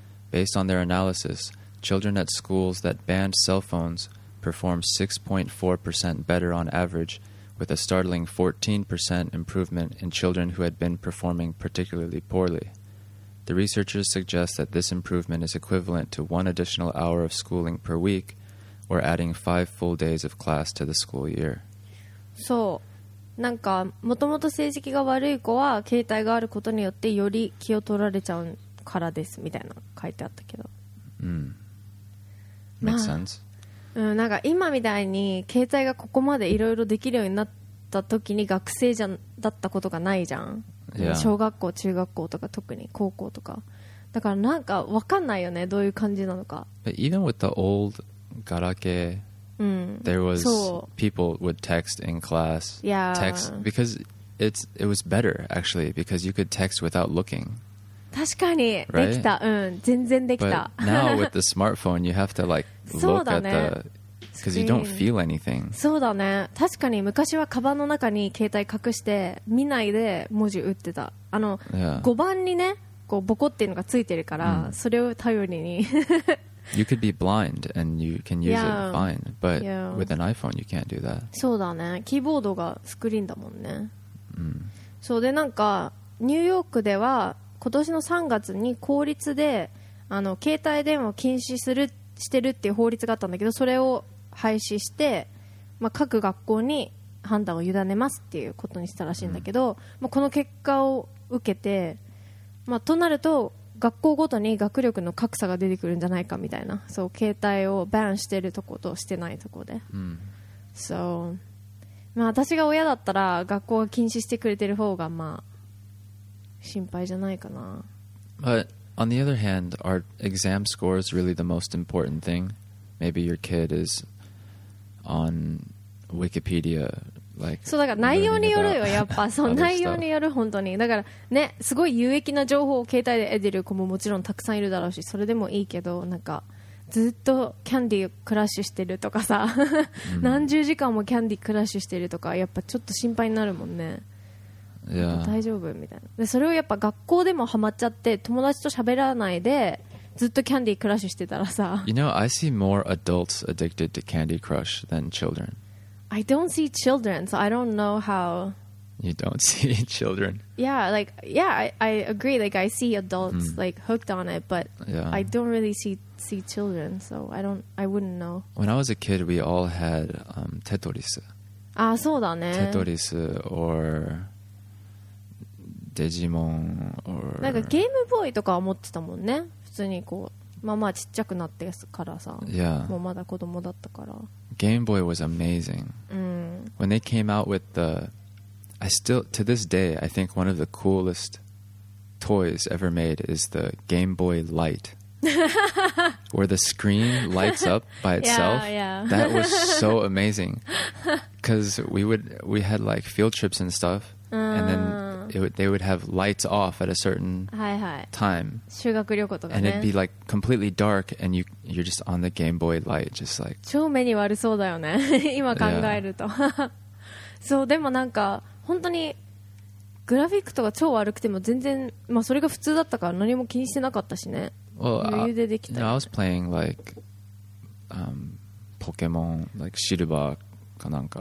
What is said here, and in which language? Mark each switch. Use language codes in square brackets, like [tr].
[en] Based on their analysis,Children at schools that banned cell phones performed 6.4% better on average, with a startling 14% improvement in children who had been performing particularly poorly. The researchers suggest that this improvement is equivalent to one additional hour of schooling per week, or adding 5 full days of class to the school year. [ja] So,なんかもともと成績が悪い子は携帯があることによってより気を取られちゃうからですみたいな書いてあったけど。 [en] Makes sense. [ja] まあ、なんか今みたいに携帯がここまでいろいろできるようになった時に学生じゃだったことがないじゃん、 [en] yeah. [ja] 小学校中学校とか特に高校とかだから、なんか分かんないよね、どういう感じなのか。 [en] But even with the old ガラケー、there was people would text in class、text because it was better actually, because you could text without looking. [ja] 確かにできた、 [en] right? [ja] うん、全然できた。 [en] But now with the smartphone, you have to like look at the because you don't feel anything. [ja] そうだね。確かに昔はカバンの中に携帯隠して見ないで文字打ってた。あの、 [en] yeah. [ja] 5番にね、こうボコっていうのがついてるから、それを頼りに。 [en] You could be blind and you can use it fine, but with an iPhone, you can't do that. [ja] そうだね。キーボードがスクリーンだもんね。 Mm. そうで、なんかニューヨークでは今年の3月に公立であの携帯電話を禁止するしてるっていう法律があったんだけど、それを廃止して、まあ、各学校に判断を委ねますっていうことにしたらしいんだけど、まあ、この結果を受けて、まあ、となると学校ごとに学力の格差が出てくるんじゃないかみたいな、そう、携帯をバンしてるとことしてないとこで、そう、まあ、私が親だったら学校が禁止してくれてる方がまあ心配じゃないかな。 [en] But on the other hand, are exam scores really the most important thing? Maybe your kid is on Wikipedia, like. [ja] そうだから内容によるよ、やっぱそう内容による本当に。だからね、すごい有益な情報を携帯で得てる子ももちろんたくさんいるだろうし、それでもいいけど、なんかずっとキャンディークラッシュしてるとかさ、何十時間もキャンディークラッシュしてるとか、やっぱちょっと心配になるもんね。 [en] Yeah. [ja] 大丈夫みたいな。でそれをやっぱ学校でもハマっちゃって、友達と喋らないでずっとキャンディークラッシュしてたらさ、 [en] You know, I see more adults addicted to Candy Crush than children. I don't see children, so I don't know how. You don't see children? Yeah, like, yeah, I agree. Like, I see adults like hooked on it, but I don't really see children, so I wouldn't know. When I was a kid, we all had Tetris. [ja] Ah, そうだね。 [en] Tetris orデジモン or... [ja] なんかゲームボーイとかは持ってたもんね、普通にこう、まあまあちっちゃくなってからさ、 [en] yeah. [ja] もうまだ子供だったから。 [en] ゲームボーイ was amazing、when they came out with the I still to this day I think one of the coolest toys ever made is the Game Boy Light where the screen lights up by itself. Yeah, yeah. That was so amazing because we had like field trips and stuff、and thenthey would have lights off at a certain time. [ja] 修学旅行とかね。 [en] And it'd be like completely dark, and you're just on the Game Boy light, just like. [ja] 超目に悪そうだよね。今考えると。そうでもなんか本当にグラフィックとか超悪くても全然、まあ、それが普通だったから何も気にしてなかったしね。 [en] Well, [ja] 余裕でできた。 [en] I was playing like、ポケモン、like、シルバーかなんか。